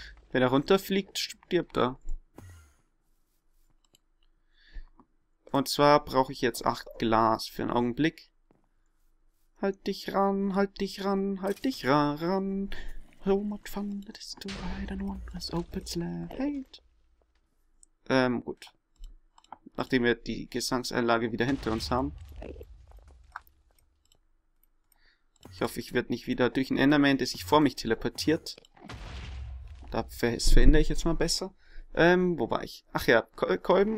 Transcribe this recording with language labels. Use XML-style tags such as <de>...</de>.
<de>Wenn er runterfliegt, stirbt er. Und zwar brauche ich jetzt 8 Glas für einen Augenblick. Halt dich ran, halt dich ran, halt dich ran.</de> <en>So much fun it is to ride on one as opens late.</en> <de>Gut. Nachdem wir die Gesangseinlage wieder hinter uns haben. Ich hoffe, ich werde nicht wieder durch einen Enderman, der sich vor mich teleportiert. Das verhindere ich jetzt mal besser. Wo war ich? Ach ja, Kolben.</de>